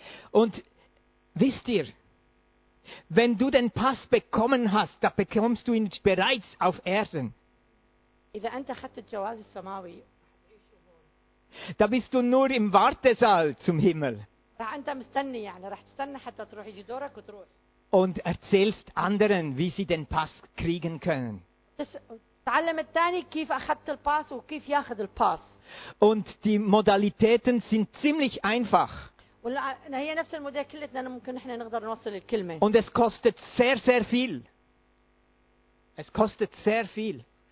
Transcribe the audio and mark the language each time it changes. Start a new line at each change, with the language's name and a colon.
German: Und wisst ihr, wenn du den Pass bekommen hast, da bekommst du ihn bereits auf Erden.
Arabic: إذا أنت أخذت الجواز السماوي،
German: da bist du nur im Wartesaal zum Himmel.
Arabic: راح أنت مستني يعني راح تستنى حتى تروح يجي دورك وتروح.
German: Und erzählst anderen, wie sie den Pass kriegen können.
Arabic: تعلم الثاني كيف أخذت الباس وكيف ياخذ الباس.
German: Und die Modalitäten sind ziemlich einfach.
Arabic: هي نفس الموديل كلتنا ممكن إحنا نقدر نوصل الكلمة.
German: Und es kostet sehr sehr viel. Es kostet sehr viel.